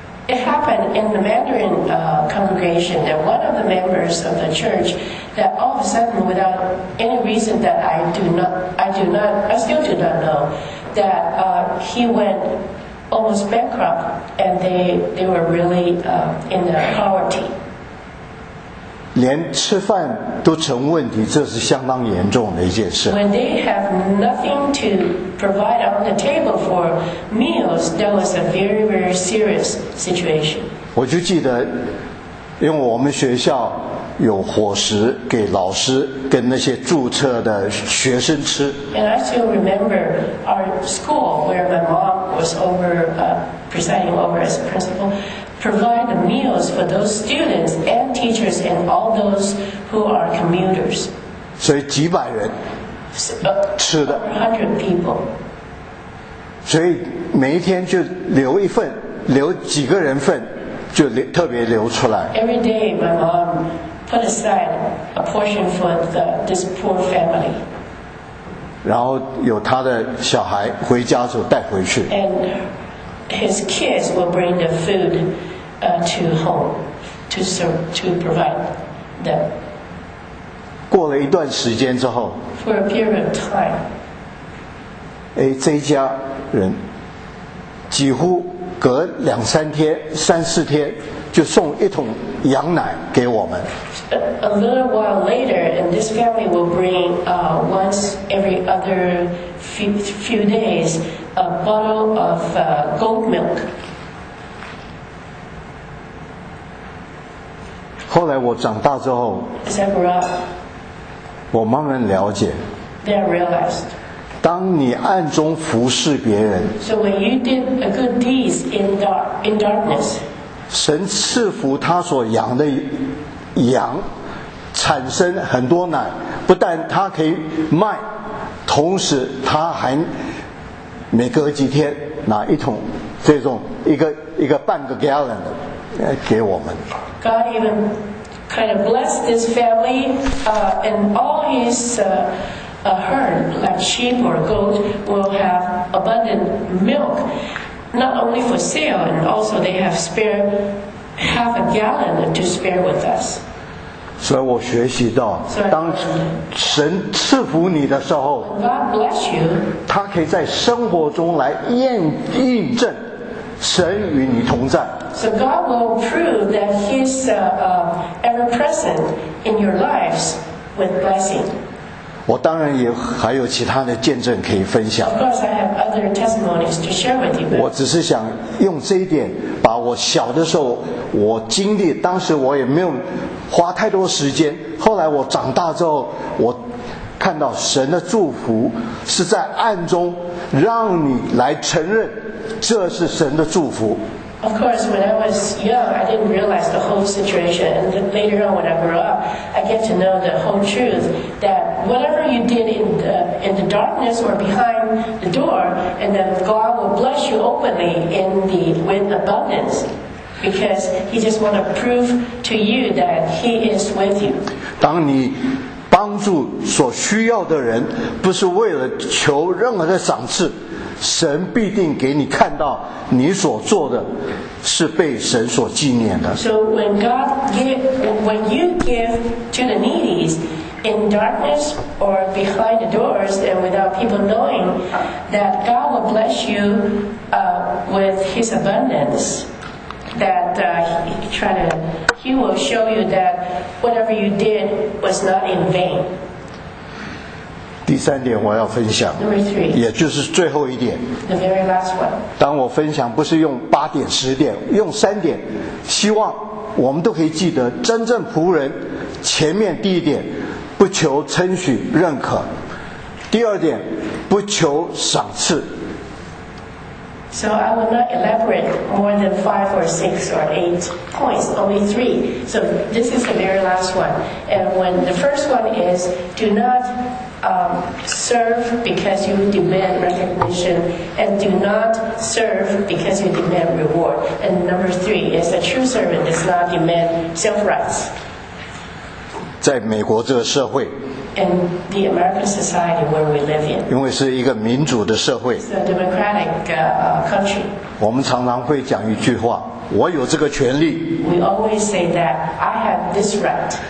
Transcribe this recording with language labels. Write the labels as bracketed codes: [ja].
[en] It happened in the Mandarin congregation that one of the members of the church that all of a sudden, without any reason that I still do not know, that he went. Almost bankrupt, and they were really in the poverty. [zh] 连吃饭都成问题，这是相当严重的一件事。 [en] When they have nothing to provide on the table for meals, that was a very, very serious situation. [zh] 我就记得，因为我们学校有伙食给老师跟那些注册的学生吃。 [en] And I still remember our school where my mom was over, presiding over as principal, provide meals for those students and teachers and all those who are commuters. [zh] 所以几百人吃的。 [en] 100 people. [zh] 所以每一天就留一份，留几个人份，就特别留出来。 [en] Every day my mom. Put aside a portion for this poor family. [zh] 然后有他的小孩回家就带回去。 [en] And his kids will bring the food to home to serve, to provide them. [zh] 过了一段时间之后。 [en] For a period of time. [zh] 哎，这一家人几乎隔两三天、三四天。就送一桶羊奶给我们。 [en] A little while later, and this family will bring once every other few days a bottle of goat milk. [zh] 后来我长大之后， [en] As I grew up, [zh] 我慢慢了解。 [en] Then I realized. [zh] 当你暗中服侍别人。 [en] So when you did a good deed in darkness. [zh] 神赐福他所养的羊产生很多奶，不但他可以卖，同时他还每隔几天拿一桶这种一个半个 gallon 的给我们。 [en] God even kind of blessed this family and all his a herd, like sheep or goat, will have abundant milk, not only for sale, and also they have spare half a gallon to spare with us. [zh] 所以我学习到，当神赐福你的时候，他可以在生活中来验证神与你同在。 [en] So God will prove that He's ever present in your lives with blessing. [zh] 我当然也还有其他的见证可以分享。 [en] Of course, I have other testimonies to share with you. [zh] 我只是想用这一点，把我小的时候我经历，当时我也没有花太多时间。后来我长大之后，我看到神的祝福是在暗中让你来承认，这是神的祝福。 [en] Of course, when I was young, I didn't realize the whole situation. And then later on, when I grew up, I get to know the whole truth that whatever you did in the darkness or behind the door, and then God will bless you openly with abundance. Because He just want to prove to you that He is with you. [zh] 当你帮助所需要的人，不是为了求任何的赏赐，神必定给你看到你所做的是被神所纪念的。 [en] So when God when you give to the needy in darkness or behind the doors and without people knowing, that God will bless you with His abundance. He will show you that whatever you did was not in vain. [zh] 第三点我要分享 [en] Number three, [zh] 也就是最后一点 [en] the very last one. [zh] 当我分享不是用八点十点，用三点，希望我们都可以记得真正仆人前面第一点，不求称许认可，第二点不求赏赐。 [en] So I will not elaborate more than 5 or 6 or 8 points, only 3. So this is the very last one. And when the first one is, do not serve because you demand recognition, and do not serve because you demand reward. And number 3 is, a true servant does not demand self-rights. [zh] 在美国这个社会， [en] in the American society where we live in, [zh] 因为是一个民主的社会 [en] it's a democratic country, [zh] 我们常常会讲一句话，我有这个权利， [en] we always say that I have this right,